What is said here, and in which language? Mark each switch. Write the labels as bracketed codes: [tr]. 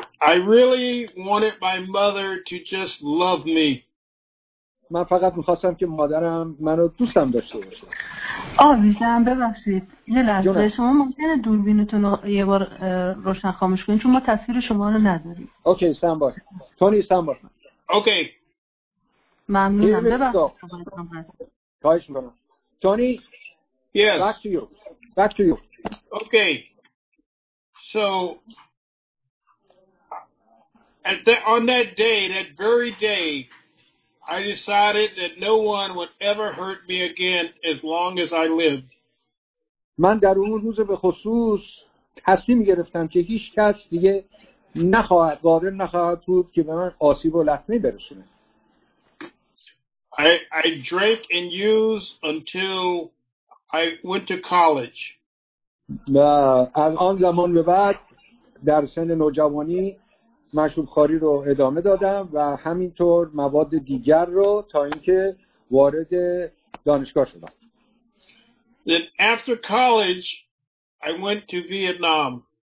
[en] I really wanted my mother to just love me. [fa] من فقط می‌خواستم که مادرم منو دوستم داشته باشه. آویزم ببخشید. یه لحظه شما ممکنه دوربینتون رو یه بار روشن خاموش کنید چون ما تصویر شما رو نداریم. [en] Okay stand by. Tony stand by. Okay. [fa] ممنونم ببخشید. خواهش می‌کنم. تونی. [en] Yes. Back to you. Okay. So on that day, that very day, I decided that no one would ever hurt me again as long as I lived. [fa] من در اون روز به خصوص تصمیم گرفتم که هیچ کس دیگه نخواهد قادر نخواهد بود که به من آسیب و لطمه برسونه. [en] I drank and used until I went to college. [fa] از آن زمان به بعد در سن نوجوانی مشروب خواری رو ادامه دادم و همینطور مواد دیگر رو تا اینکه وارد دانشگاه شدم. [en] Then after college, I went to Vietnam.